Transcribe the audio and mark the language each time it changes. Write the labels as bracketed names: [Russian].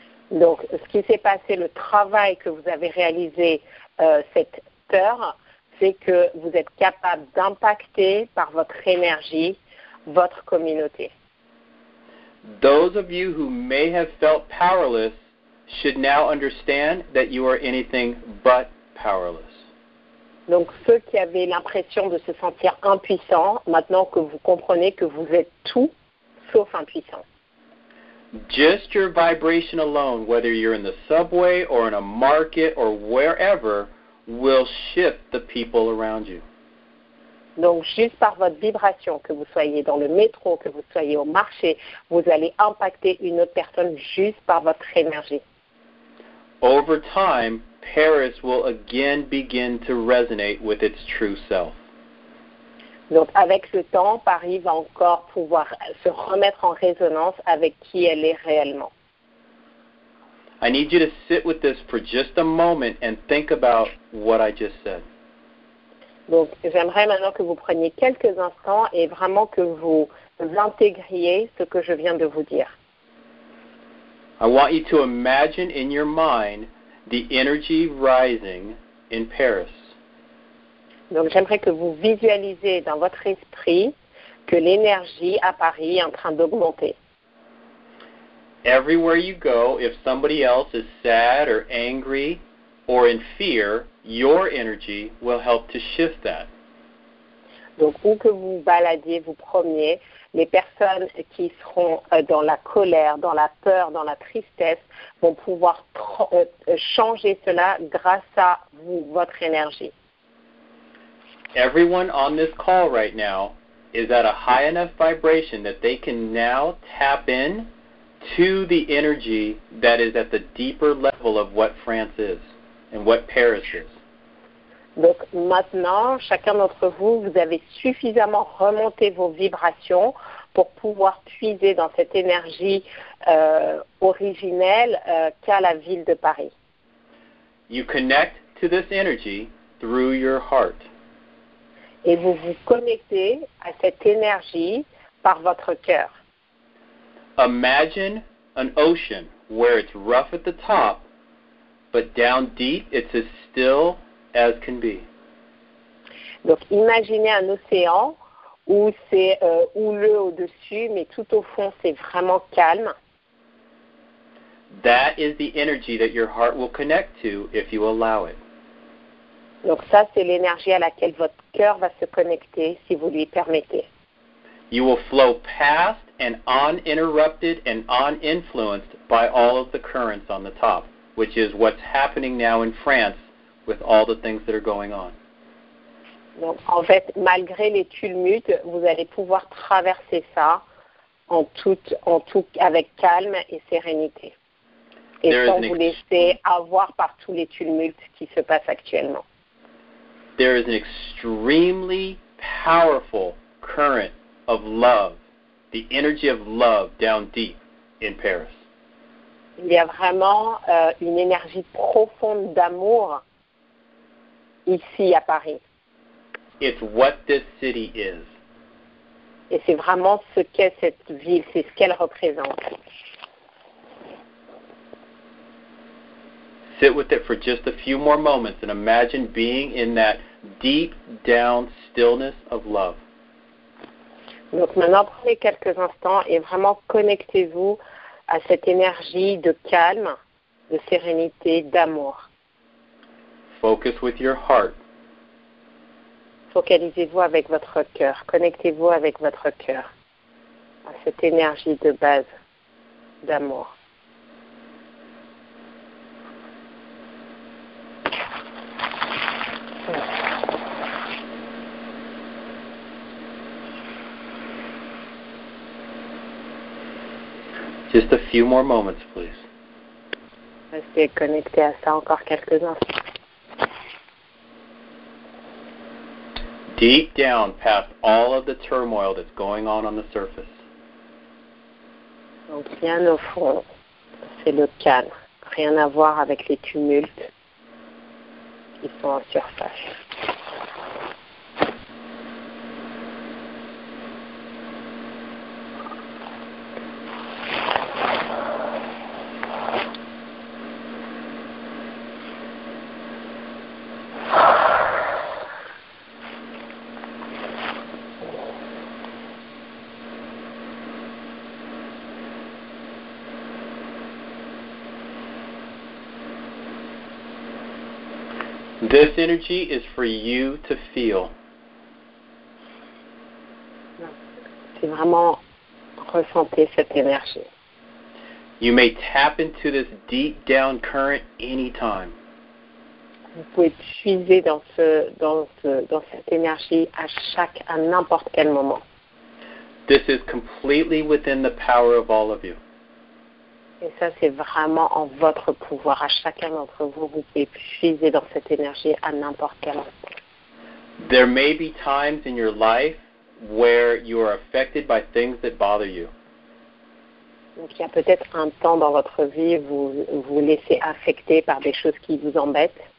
[French] Donc, ce qui s'est passé, le travail que vous avez réalisé cette heure, c'est que vous êtes capable d'impacter par votre énergie votre communauté. [English] Those of you who may have felt powerless should now understand that you are anything but powerless. [French] Donc, ceux qui avaient l'impression de se sentir impuissants, maintenant que vous comprenez que vous êtes tout source en puissance. [English] Just your vibration alone, whether you're in the subway or in a market or wherever, will shift the people around you. [French] Donc, juste par votre vibration, que vous soyez dans le métro, que vous soyez au marché, vous allez impacter une autre personne juste par votre énergie. [English] Over time, Paris will again begin to resonate with its true self. [French] Donc, avec le temps, Paris va encore pouvoir se remettre en résonance avec qui elle est réellement. [English] I need you to sit with this for just a moment and think about what I just said. [French] Donc, j'aimerais maintenant que vous preniez quelques instants et vraiment que vous intégriez ce que je viens de vous dire. [English] I want you to imagine in your mind the energy rising in Paris. [French] Donc, j'aimerais que vous visualisiez dans votre esprit que l'énergie à Paris est en train d'augmenter. [English] Everywhere you go, if somebody else is sad or angry or in fear, your energy will help to shift that. [French] Donc, où que vous baladiez, vous promeniez, les personnes qui seront dans la colère, dans la peur, dans la tristesse, vont pouvoir changer cela grâce à vous, votre énergie. [English] Everyone on this call right now is at a high enough vibration that they can now tap in to the energy that is at the deeper level of what France is. And what Paris is. [French] Donc maintenant, chacun d'entre vous, vous avez suffisamment remonté vos vibrations pour pouvoir puiser dans cette énergie originelle qu'a la ville de Paris. [English] You connect to this energy through your heart. [French] Et vous vous connectez à cette énergie par votre cœur. [English] Imagine an ocean where it's rough at the top, but down deep, it's as still as can be. [French] Donc, imaginez un océan où c'est houleux au-dessus, mais tout au fond, c'est vraiment calme. [English] That is the energy that your heart will connect to if you allow it. [French] Donc, ça, c'est l'énergie à laquelle votre cœur va se connecter si vous lui permettez. [English] You will flow past and uninterrupted and uninfluenced by all of the currents on the top. Which is what's happening now in France with all the things that are going on. [French] Donc, en fait, malgré les tumultes, vous allez pouvoir traverser ça en tout, avec calme et sérénité. Et [English] there [French] sans vous laisser avoir par tous les tumultes qui se passent actuellement. [English] There is an extremely powerful current of love, the energy of love down deep in Paris. [French] Il y a vraiment une énergie profonde d'amour ici à Paris. [English] It's what this city is. [French] Et c'est vraiment ce qu'est cette ville, c'est ce qu'elle représente. [English] Sit with it for just a few more moments and imagine being in that deep down stillness of love. [French] Donc maintenant, prenez quelques instants et vraiment connectez-vous à cette énergie de calme, de sérénité, d'amour. [English] Focus with your heart. [French] Focalisez-vous avec votre cœur. Connectez-vous avec votre cœur à cette énergie de base d'amour. [English] Just a few more moments, please. [French] Restez connecté à ça encore quelques instants. [English] Deep down, past all of the turmoil that's going on the surface. [French] Donc, bien au fond, c'est le calme. Rien à voir avec les tumultes qui sont en surface. [English] This energy is for you to feel. [French] C'est vraiment ressentez cette énergie. [English] You may tap into this deep down current anytime. [French] Vous pouvez puiser dans cette énergie à n'importe quel moment. [English] This is completely within the power of all of you. [French] Et ça, c'est vraiment en votre pouvoir. À chacun d'entre vous, vous pouvez puiser dans cette énergie à n'importe quel moment. [English] There may be times in your life where you are affected by things that bother you. [French] Donc, il y a peut-être un temps dans votre vie où vous vous laissez affecter par des choses qui vous embêtent.